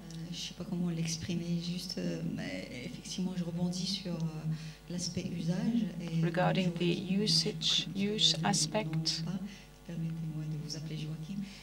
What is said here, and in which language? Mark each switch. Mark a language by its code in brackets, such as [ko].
[fr] Je ne sais pas comment l'exprimer, juste, effectivement, je rebondis sur l'aspect usage. Et [en] regarding the usage, use aspect. [fr] Permettez-moi de vous appeler Joachim.